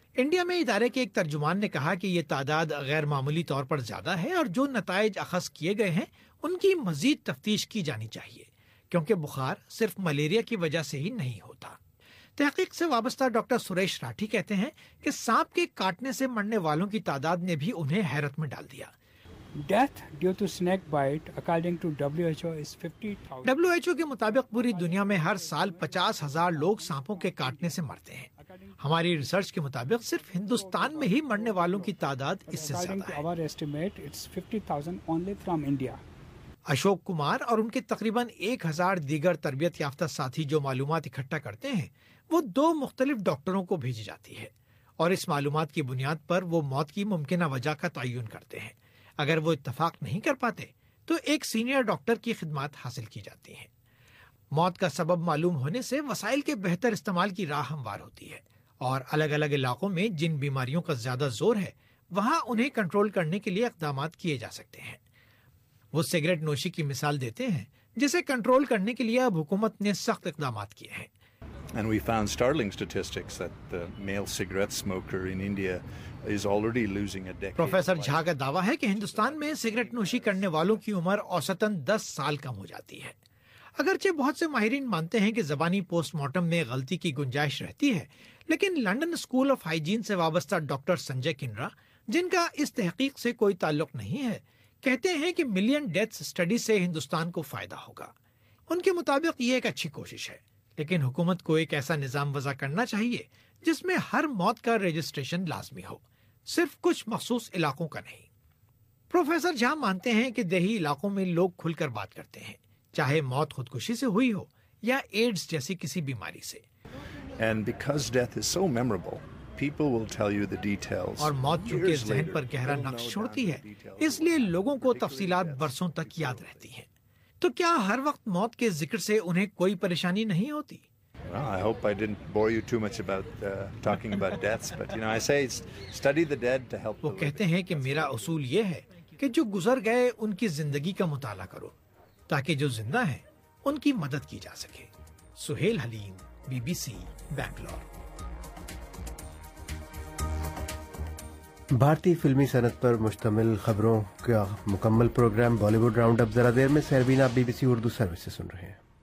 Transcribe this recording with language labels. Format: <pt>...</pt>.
<ur>India میں ادارے کے ایک ترجمان نے کہا کہ یہ تعداد غیر معمولی طور پر زیادہ ہے اور جو نتائج اخذ کیے گئے ہیں ان کی مزید تفتیش کی جانی چاہیے، کیونکہ بخار صرف ملیریا کی وجہ سے ہی نہیں ہوتا. تحقیق سے وابستہ ڈاکٹر سریش راٹھی کہتے ہیں کہ سانپ کے کاٹنے سے مرنے والوں کی تعداد نے بھی انہیں حیرت میں ڈال دیا.</ur> <en>Death due to snake bite, according to WHO, is 50,000.</en> <ur>WHO کے مطابق پوری دنیا میں ہر سال 50,000 لوگ سانپوں کے کاٹنے سے مرتے ہیں. ہماری ریسرچ کے مطابق صرف ہندوستان میں ہی مرنے والوں کی تعداد اس سے زیادہ ہے. اشوک کمار اور ان کے تقریباً 1,000 دیگر تربیت یافتہ ساتھی جو معلومات اکٹھا کرتے ہیں وہ 2 مختلف ڈاکٹروں کو بھیجی جاتی ہے اور اس معلومات کی بنیاد پر وہ موت کی ممکنہ وجہ کا تعین کرتے ہیں. اگر وہ اتفاق نہیں کر پاتے تو ایک سینئر ڈاکٹر کی خدمات حاصل کی جاتی ہیں. موت کا سبب معلوم ہونے سے وسائل کے بہتر استعمال کی راہ ہموار ہوتی ہے اور الگ الگ علاقوں میں جن بیماریوں کا زیادہ زور ہے وہاں انہیں کنٹرول کرنے کے لیے اقدامات کیے جا سکتے ہیں۔ وہ سگریٹ نوشی کی مثال دیتے ہیں جسے کنٹرول کرنے کے لیے اب حکومت نے سخت اقدامات کیے ہیں۔</ur> <en>And we found startling statistics that the male cigarette smoker in India is already losing a decade.</en> <ur>Professor جھا کا دعویٰ ہے کہ ہندوستان میں سگریٹ نوشی کرنے والوں کی عمر اوسطاً 10 سال کم ہو جاتی ہے۔ اگرچہ بہت سے ماہرین مانتے ہیں کہ زبانی پوسٹ مارٹم میں غلطی کی گنجائش رہتی ہے، لیکن لنڈن اسکول آف ہائیجین سے وابستہ ڈاکٹر سنجے کنرا، جن کا اس تحقیق سے کوئی تعلق نہیں ہے، کہتے ہیں کہ ملین ڈیتھ اسٹڈی سے ہندوستان کو فائدہ ہوگا۔ ان کے مطابق یہ ایک اچھی کوشش ہے، لیکن حکومت کو ایک ایسا نظام وضع کرنا چاہیے جس میں ہر موت کا رجسٹریشن لازمی ہو، صرف کچھ مخصوص علاقوں کا نہیں۔ پروفیسر جھا مانتے ہیں کہ دیہی علاقوں میں لوگ کھل کر بات کرتے ہیں، چاہے موت خودکشی سے ہوئی ہو یا ایڈز جیسی کسی بیماری سے۔</ur> <en>And because death is so memorable, people will tell you the details.</en> <ur>اور موت چونکہ ذہن پر گہرا نقش چھوڑتی ہے، اس لیے لوگوں کو تفصیلات برسوں تک یاد رہتی ہیں۔ تو کیا ہر وقت موت کے ذکر سے انہیں کوئی پریشانی نہیں ہوتی؟</ur> <en>I hope I didn't bore you too much about talking about deaths, but you know, I say study the dead to help.</en> <ur>وہ کہتے ہیں کہ میرا اصول یہ ہے کہ جو گزر گئے ان کی زندگی کا مطالعہ کرو، تاکہ جو زندہ ہیں ان کی مدد کی جا سکے۔ سہیل حلیم، بی بی سی، بنگلور۔ بھارتی فلمی صنعت پر مشتمل خبروں کا مکمل programme Bali would round up ذرا دیر میں۔ سہروین، آپ be B C Urdu service سے سن رہے ہیں۔</ur>